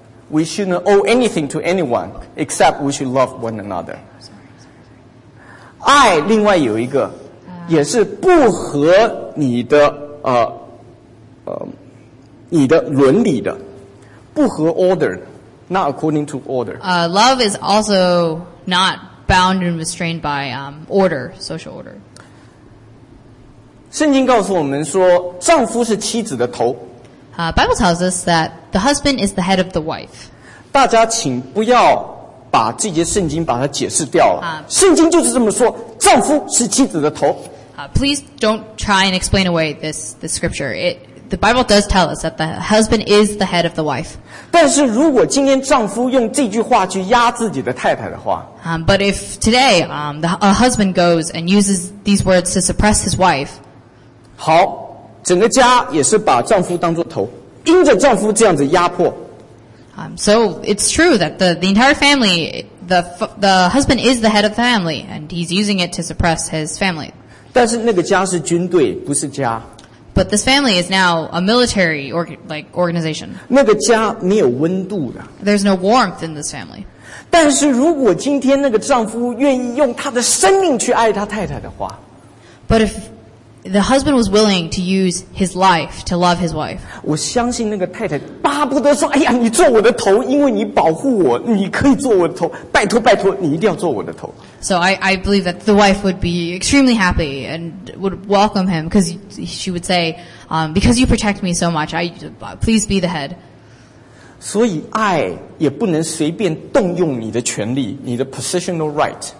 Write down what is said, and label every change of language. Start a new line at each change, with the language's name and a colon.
English: We shouldn't owe anything to anyone, except we should love one another.
Chinese: 爱另外有一个，也是不合你的你的伦理的，不合
English: order, not according to order. Love is also not bound and restrained by order, social order.
Chinese: 圣经告诉我们说，丈夫是妻子的头。
English: Bible tells us that the husband is the head of the wife.
Chinese: 大家请不要把这节圣经把它解释掉了。圣经就是这么说，丈夫是妻子的头。
English: Please don't try and explain away this scripture. The Bible does tell us that the husband is the head of the wife.
Chinese: 但是如果今天丈夫用这句话去压自己的太太的话。
English: But if today, a husband goes and uses these words to suppress his wife.
Chinese: 好。整个家也是把丈夫当作头，因着丈夫这样子压迫。
English: So it's true that the entire family, the husband is the head of the family, and he's using it to suppress his family.
Chinese: 但是那个家是军队，不是家。
English: But this family is now a military organization.
Chinese: 那个家没有温度的。
English: There's no warmth in this family.
Chinese: 但是如果今天那个丈夫愿意用他的生命去爱他太太的话。
English: But if the husband was willing to use his life to love his wife.
Chinese: 我相信那个太太巴不得说，哎呀，你做我的头，因为你保护我，你可以做我的头，拜托拜托，你一定要做我的头。
English: So I believe that the wife would be extremely happy and would welcome him because she would say, because you protect me so much, please be the head.
Chinese: 所以爱也不能随便动用你的权利，你的
English: positional right.